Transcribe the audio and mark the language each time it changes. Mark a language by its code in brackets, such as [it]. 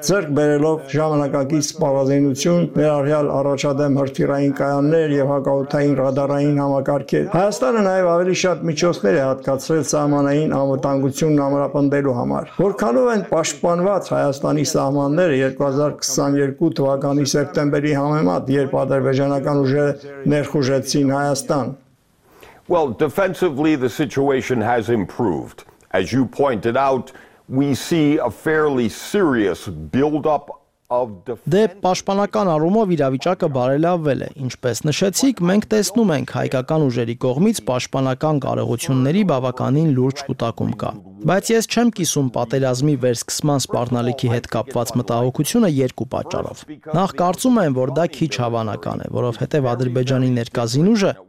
[hy] ձեռք բերելով ժամանակակից սպառազինություն, ներառյալ առաջադեմ հրթիռային կայաններ եւ հակաօդային ռադարային համակարգեր։ Հայաստանը նաեւ ավելի շատ միջոցներ է հատկացրել սահմանային անվտանգությունն ամրապնդելու համար։ Որքանով են պաշտպանված Հայաստանի սահմանները 2022 թվականի սեպտեմբերին, երբ ադրբեջանական ուժերը ներխուժեցին Հայաստան։ [en] Well, defensively the situation has improved. As you pointed out, we see a fairly serious build up of defense. [hy] Դե պաշտպանական առումով իրավիճակը բարելավվել է, ինչպես նշեցիք, մենք տեսնում ենք հայկական ուժերի կողմից պաշտպանական կարողությունների բավականին լուրջ կուտակում կա։ Բայց ես չեմ կիսում պատերազմի վերսկսման սպառնալիքի հետ կապված մտահոգությունը երկու պատճառով։ Նախ կարծում եմ, որ դա քիչ հավանական է, որովհետև Ադրբեջանի ներկազին ուժը